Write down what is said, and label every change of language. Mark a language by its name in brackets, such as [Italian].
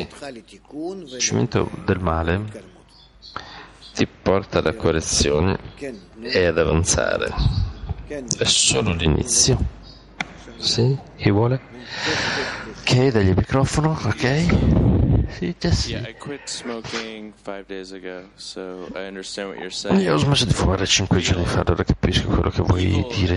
[Italian] Il riconoscimento del male ti porta alla correzione e ad avanzare. È solo l'inizio. Sì, chi vuole? Ok, dagli il microfono, ok? Sì, sì. [English] Yeah, I quit smoking 5 days ago, so I understand what you're saying. [Italian] Io ho smesso di fumare 5 giorni fa, allora capisco quello che vuoi dire.